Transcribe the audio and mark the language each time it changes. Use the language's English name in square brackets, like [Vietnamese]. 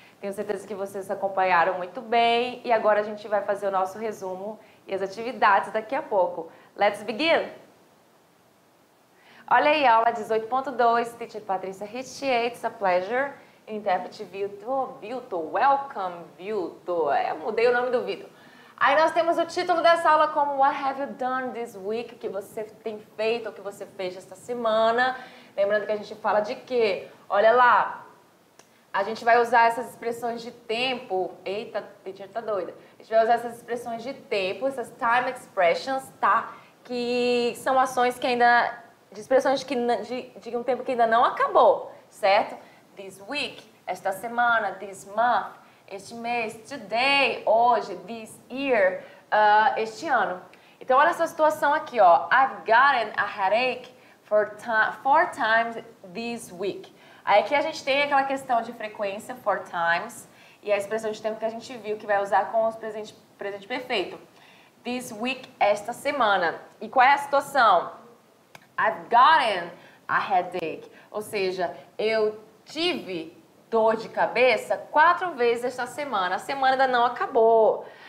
[Portuguese] Tenho certeza que vocês acompanharam muito bem e agora a gente vai fazer o nosso resumo e as atividades daqui a pouco. [English] Let's begin! [Portuguese] Olha aí, aula 18.2, teacher Patrícia Richier, [English] it's a pleasure. [Portuguese] Intérprete Vitor, Vitor, [English] welcome Vitor, [Portuguese] mudei o nome do Vitor. Aí nós temos o título dessa aula como [English] What have you done this week? [Portuguese] Que você tem feito, o que você fez esta semana? Lembrando que a gente fala de quê? Olha lá, a gente vai usar essas expressões de tempo. Eita, teacher tá doida. A gente vai usar essas expressões de tempo, essas [English] time expressions, [Portuguese] tá? Que são ações que ainda, de expressões de um tempo que ainda não acabou, certo? [English] This week, [Portuguese] esta semana, [English] this month, [Portuguese] este mês, today, hoje, [English] this year, [Portuguese] este ano. Então, olha essa situação aqui, ó. [English] I've gotten a headache four times this week. [Portuguese] Aí aqui a gente tem aquela questão de frequência, [English] four times, [Portuguese] e a expressão de tempo que a gente viu que vai usar com os presente perfeito. [English] This week, [Portuguese] esta semana. E qual é a situação? [English] I've gotten a headache. [Portuguese] Ou seja, eu tive dor de cabeça quatro vezes esta semana. A semana ainda não acabou.